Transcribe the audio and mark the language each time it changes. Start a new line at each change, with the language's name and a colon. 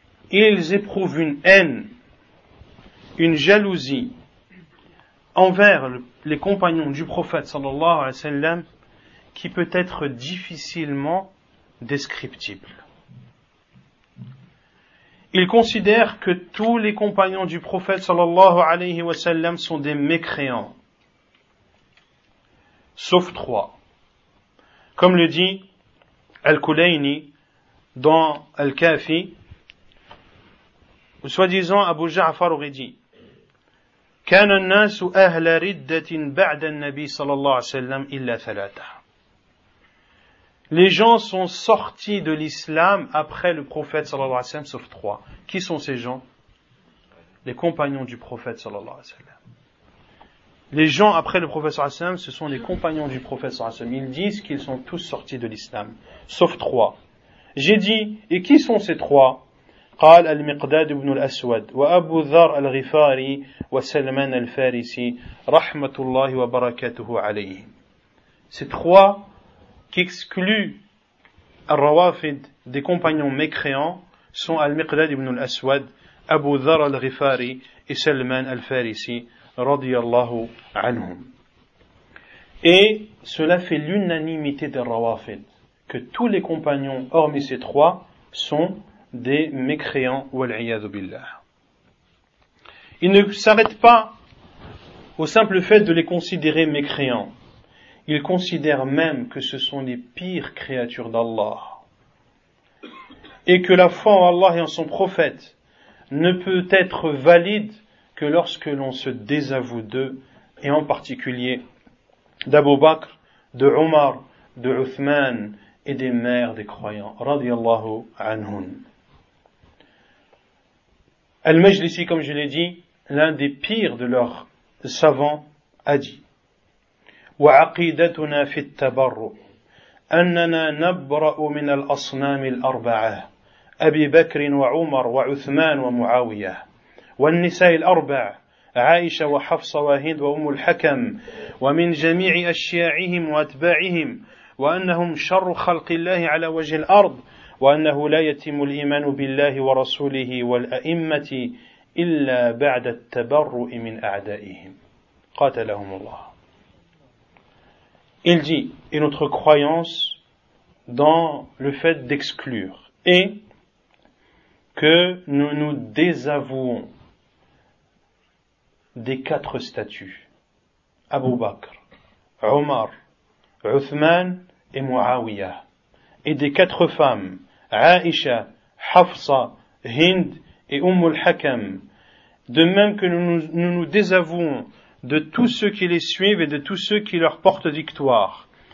French: Ils éprouvent une haine, une jalousie envers les compagnons du prophète sallallahu alayhi wa sallam qui peut être difficilement descriptible. Ils considèrent que tous les compagnons du prophète sallallahu alayhi wa sallam sont des mécréants, sauf trois. Comme le dit Al-Kulayni dans Al-Kafi, soi-disant Abu Ja'far aurait dit:
Arabic: كان الناس أهل ردة بعد النبي صلى الله عليه وسلم إلا ثلاثة.
French: Les gens sont sortis de l'islam après le prophète sallallahu alayhi wa sallam, sauf trois. Qui sont ces gens? Les compagnons du prophète sallallahu alayhi wa sallam. Les gens après le prophète sallallahu alayhi wa sallam, ce sont les compagnons du prophète sallallahu alayhi wa sallam. Ils disent qu'ils sont tous sortis de l'islam, sauf trois. J'ai dit, et qui sont ces trois?
Arabic: قال المقداد بن الأسود وأبو ذر الغفاري وسلمان الفارسي رحمة الله وبركاته عليه.
French: Ces trois qui excluent al-Rawafid des compagnons mécréants sont al-Miqdad ibn al-Aswad, Abu Dhar al-Ghifari et Salman al-Farisi, radiyallahu anhum. Et cela fait l'unanimité des Rawafid, que tous les compagnons, hormis ces trois, sont des mécréants, wal-iyadu billah. Ils ne s'arrêtent pas au simple fait de les considérer mécréants. Ils considèrent même que ce sont les pires créatures d'Allah. Et que la foi en Allah et en son prophète ne peut être valide que lorsque l'on se désavoue d'eux, et en particulier d'Abu Bakr, de Omar, de Uthman et des mères des croyants.
Arabic: Radiallahu anhun.
French: Al-Majlisi, comme je l'ai dit, l'un des pires de leurs savants, a dit:
Arabic: وعقيدتنا في التبرؤ أننا نبرأ من الأصنام الأربعة أبي بكر وعمر وعثمان ومعاوية والنساء الأربع عائشة وحفصة وهند وأم الحكم ومن جميع أشياعهم وأتباعهم وأنهم شر خلق الله على وجه الأرض وأنه لا يتم الإيمان بالله ورسوله والأئمة إلا بعد التبرؤ من أعدائهم قاتلهم الله.
French: Il dit, et notre croyance dans le fait d'exclure, et que nous nous désavouons des quatre statues, Abu Bakr, Omar, Uthman et Muawiyah, et des quatre femmes, Aisha, Hafsa, Hind et Umul Hakam, de même que nous nous désavouons de tous ceux qui les suivent et de tous ceux qui leur portent victoire.